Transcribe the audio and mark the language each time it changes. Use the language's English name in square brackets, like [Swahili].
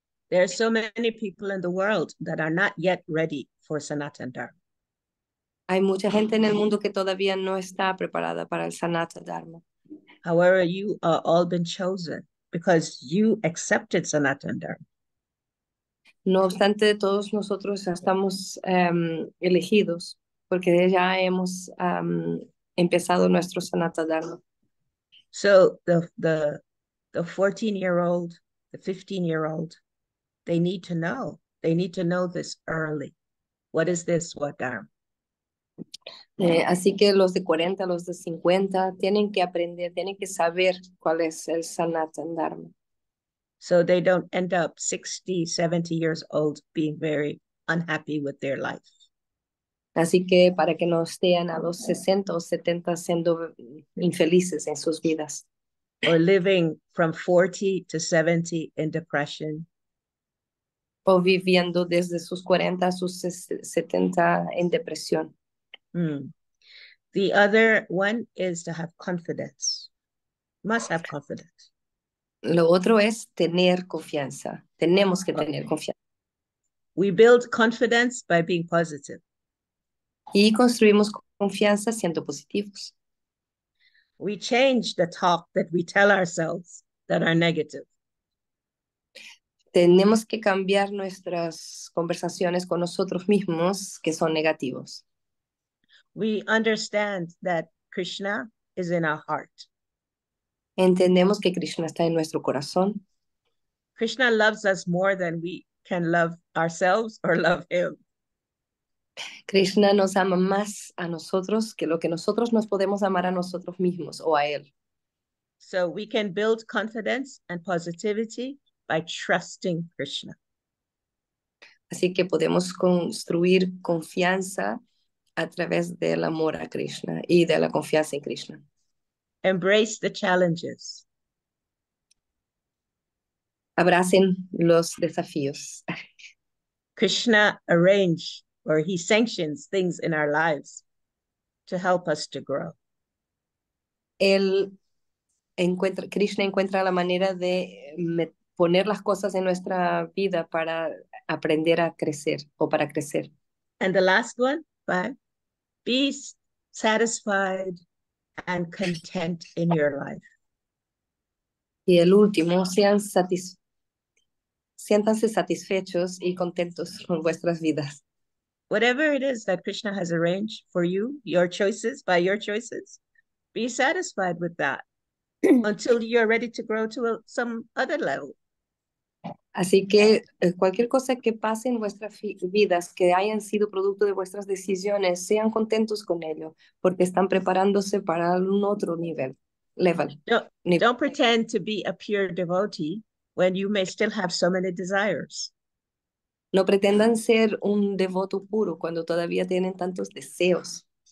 [English] There are so many people in the world that are not yet ready for Sanatan Dharma. [Spanish] Hay mucha gente en el mundo que todavía no está preparada para el Sanatan Dharma. [English] However, you are all been chosen because you accepted Sanatan Dharma. [Spanish] No obstante, todos nosotros estamos elegidos porque ya hemos empezado nuestro Sanatan Dharma. [English] So the 14-year-old, the 15-year-old, they need to know. They need to know this early. What is this Swadharma? [Spanish] Así que los de 40, los de 50 tienen que aprender, tienen que saber cuál es el Sanatan Dharma. [English] So they don't end up 60, 70 years old being very unhappy with their life. [Spanish] Así que para que no estén a los 60 o 70 siendo infelices en sus vidas. [English] Or living from 40 to 70 in depression. [Spanish] O viviendo desde sus 40 a sus 70 en depresión. Mm. [English] The other one is to have confidence. Must have confidence. [Spanish] Lo otro es tener confianza. Tenemos que tener confianza. [English] We build confidence by being positive. [Spanish] Y construimos confianza siendo positivos. [English] We change the talk that we tell ourselves that are negative. [Spanish] Tenemos que cambiar nuestras conversaciones con nosotros mismos que son negativos. [English] We understand that Krishna is in our heart. [Spanish] Entendemos que Krishna está en nuestro corazón. [English] Krishna loves us more than we can love ourselves or love him. [Spanish] Krishna nos ama más a nosotros que lo que nosotros nos podemos amar a nosotros mismos o a él. [English] So we can build confidence and positivity by trusting Krishna. [Spanish] Así que podemos construir confianza a través del amor a Krishna y de la confianza en Krishna. [English] Embrace the challenges. [Spanish] Abracen los desafíos. [English] Krishna arrange or he sanctions things in our lives to help us to grow. [Spanish] Krishna encuentra la manera de poner las cosas en nuestra vida para aprender a crecer o para crecer. [English] And the last one, five. Be satisfied and content in your life. [Spanish] Y el último, siéntanse satisfechos y contentos con vuestras vidas. [English] Whatever it is that Krishna has arranged for you, your choices, by your choices, be satisfied with that until you're ready to grow to some other level. [Spanish] Así que cualquier cosa que pase en vuestras vidas, que hayan sido producto de vuestras decisiones, sean contentos con ello, porque están preparándose para un otro nivel. [English] Don't pretend to be a pure devotee when you may still have so many desires. [Spanish] No pretendan ser un devoto puro cuando todavía tienen tantos deseos.